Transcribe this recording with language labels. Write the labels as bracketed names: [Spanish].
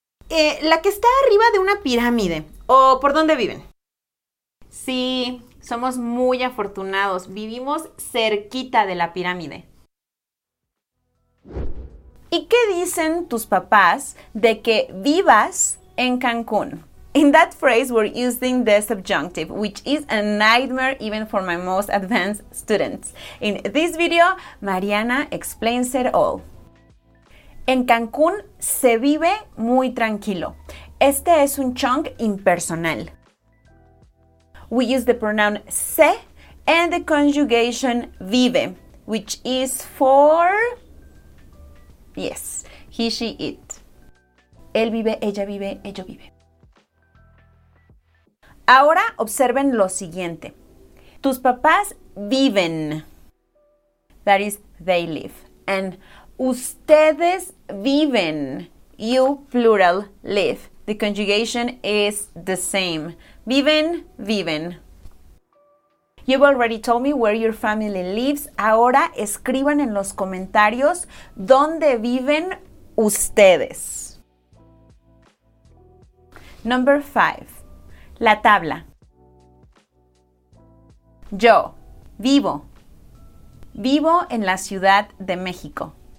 [Spanish] La que está arriba de una pirámide, ¿o por dónde viven? Sí, somos muy afortunados, vivimos cerquita de la pirámide. ¿Y qué dicen tus papás de que vivas en Cancún? [English] In that phrase, we're using the subjunctive, which is a nightmare even for my most advanced students. In this video, Mariana explains it all. [Spanish] En Cancún se vive muy tranquilo. Este es un chunk impersonal. [English] We use the pronoun se and the conjugation vive, which is for... Yes, he, she, it. [Spanish] Él vive, ella vive, ello vive. Ahora observen lo siguiente. Tus papás viven. [English] That is, they live. And [Spanish] ustedes viven. [English] You, plural, live. The conjugation is the same. [Spanish] Viven, viven. [English] You've already told me where your family lives. [Spanish] Ahora escriban en los comentarios dónde viven ustedes. [English] Number 5. [Spanish] La tabla. Yo vivo. Vivo en la Ciudad de México.